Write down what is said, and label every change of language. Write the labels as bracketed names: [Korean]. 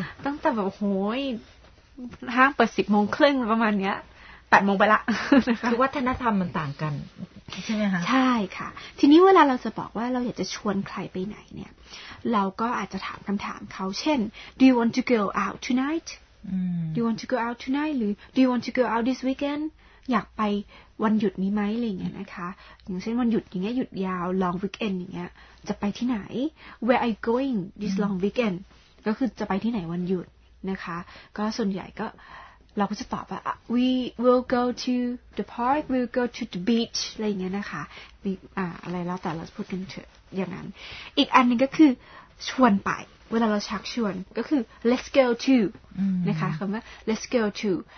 [Thai] ตั้งแต่แบบโหยห้างเปิด10โมงครึ่งประมาณเนี้ย8โมงไปละ คือวัฒนธรรมมันต่างกันใช่ไห มคะ ใช่ค่ะทีนี้เวลาเราจะบอกว่าเราอยากจะชวนใครไปไหนเนี่ยเราก็อาจจะถามคำถามเขาเช่น [English] Do you want to go out tonight? Do you want to go out tonight? [Thai] หรือ [English] Do you want to go out this weekend? [Thai] อยากไปวันหยุดนี้ไหมอะไรเงี้ยนะคะอย่างเช่นวันหยุดอย่างเงี้ยหยุดยาว long weekend อย่างเงี้ยจะไปที่ไหน [English] Where are you going this long weekend? [Thai] ก็คือจะไปที่ไหนวันหยุดนะคะก็ส่วนใหญ่ก็เราก็จะตอบว่า [English] we will go to the park we'll go to the beach [Thai] อะไรเงี้ยนะคะมีอะไรแล้วแต่เราพูดกันเถอะอย่างนั้นอีกอันนึงก็คือชวนไปเวลาเราชักชวนก็คือ [English] let's go to [Thai] นะคะคำว่า let's go to